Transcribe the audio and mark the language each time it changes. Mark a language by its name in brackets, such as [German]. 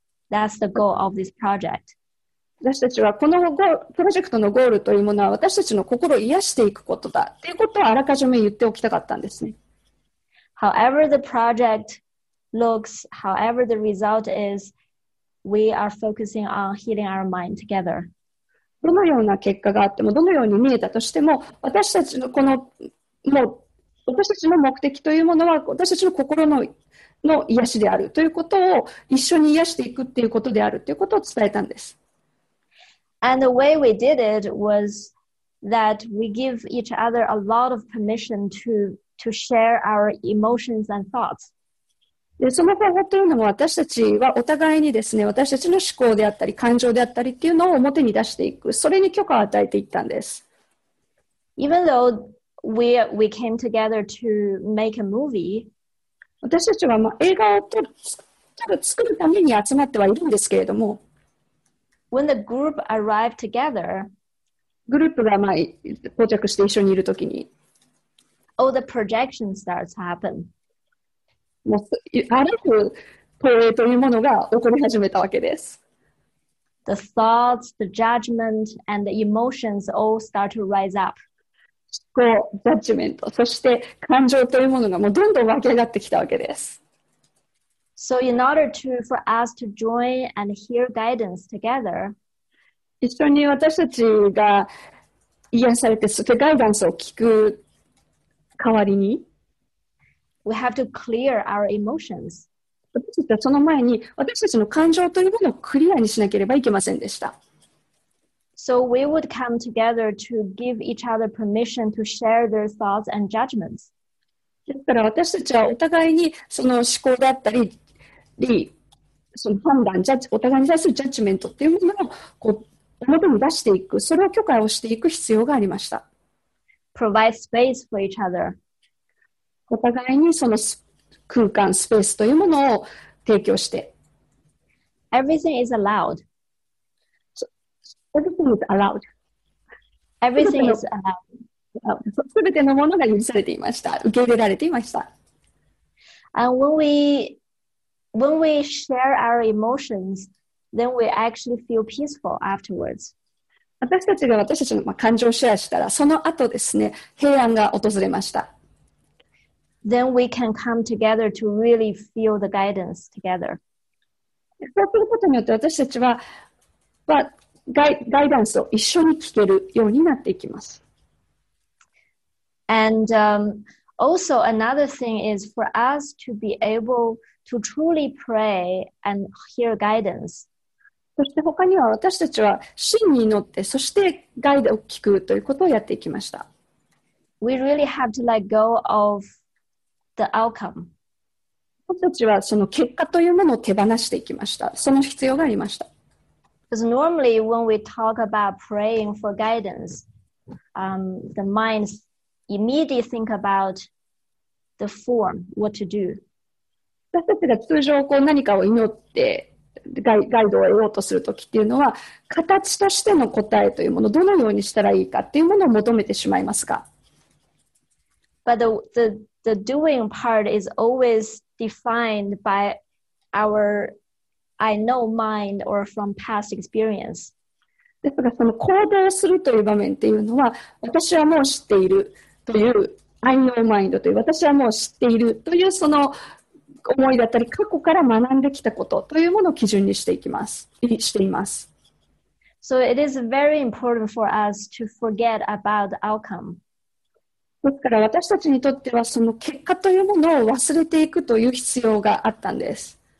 [English] That's the goal of this project. [Japanese] 私たちはこのプロジェクトのゴールというものは私たちの心を癒していくことだということをあらかじめ言っておきたかったんですね。 [English] However the project looks, however the result is, we are focusing on healing our mind together. [Japanese] どのような結果があっても、どのように見えたとしても、私たちのこの、もう、私たちの目的というものは、私たちの心の癒しであるということを、一緒に癒していくっていうことであるということを伝えたんです。 [English] And the way we did it was that we give each other a lot of permission to share our emotions and thoughts. [Japanese] でその方法というのも私たちはお互いにですね、私たちの思考であったり感情であったりっていうのを表に出していく、それに許可を与えていったんです。 [English] Even though we came together to make a movie, [Japanese] 私たちは、まあ、映画を作るために集まってはいるんですけれども、 [English] When the group arrived together, [Japanese] グループが、まあ、到着して一緒にいるときに、 [English] All the projection starts to happen. [Japanese] もうあらゆる投影というものが起こり始めたわけです。 [English] The thoughts, the judgment, and the emotions all start to rise up. [Japanese] こう、ジャッジメント、そして感情というものがもうどんどん湧き上がってきたわけです。 [English] So in order to, for us to join and hear guidance together, [Japanese] 一緒に私たちが癒されて、そしてガイダンスを聞く代わりに、 [English] We have to clear our emotions. [Japanese] 私たちはその前に私たちの感情というものをクリアにしなければいけませんでした。 [English] So we would come together to give each other permission to share their thoughts and judgments. [Japanese] ですから私たちはお互いにその思考だったり、その判断、お互いに対するジャッジメントっていうものをこう表に出していく、それを許可をしていく必要がありました。 [English] Provide space for each other. [Japanese] お互いにその空間、スペースというものを提供して。 [English] Everything is allowed. Everything is allowed. Everything is allowed. [Japanese] 全てのものが許されていました。受け入れられていました。 [English] And when we share our emotions, then we actually feel peaceful afterwards. [Japanese] 私たちが私たちの感情をシェアしたら、その後ですね、平安が訪れました。 [English] Then we can come together to really feel the guidance together. [Japanese] そうすることによって私たちは、ガイダンスを一緒に聞けるようになっていきます。 [English] And, also another thing is for us to be able to truly pray and hear guidance. [Japanese] そして他には私たちは真に祈って、そしてガイドを聞くということをやっていきました。 [English] We really have to let go of the outcome. [Japanese] 私たちはその結果というものを手放していきました。その必要がありました。 [English] Because normally when we talk about praying for guidance, the mind immediately think about the form, what to do. [Japanese] 私たちが通常こう何かを祈って、ガイドを得ようとするときっていうのは、形としての答えというもの、どのようにしたらいいかっていうものを求めてしまいますか。 [English] But the doing part is always defined by our I know mind or from past experience. [Japanese] だからその行動するという場面っていうのは、私はもう知っているという [English] I know mind [Japanese] という、私はもう知っているというその思いだったり、過去から学んできたことというものを基準にしていきます、しています。 [English] So it is very important for us to forget about the outcome. [Japanese] ですから私たちにとってはその結果というものを忘れていくという必要があったんです。